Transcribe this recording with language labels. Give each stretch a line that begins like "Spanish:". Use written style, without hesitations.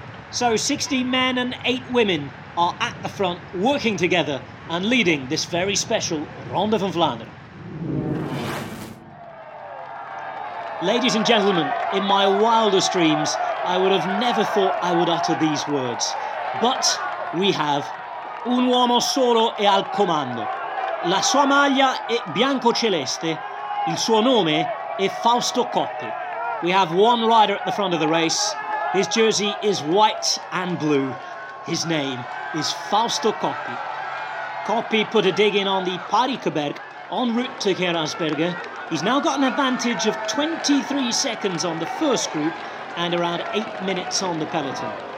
English: So 60 men and 8 women are at the front, working together and leading this very special Ronde van Vlaanderen. Ladies and gentlemen, in my wildest dreams, I would have never thought I would utter these words. But we have
Italian: un uomo solo e al comando. La sua maglia è bianco-celeste. Il suo nome è Fausto Coppi.
English: We have one rider at the front of the race. His jersey is white and blue. His name is Fausto Coppi. Coppi put a dig in on the Parikeberg en route to Gerasberger. He's now got an advantage of 23 seconds on the first group and around 8 minutes on the peloton.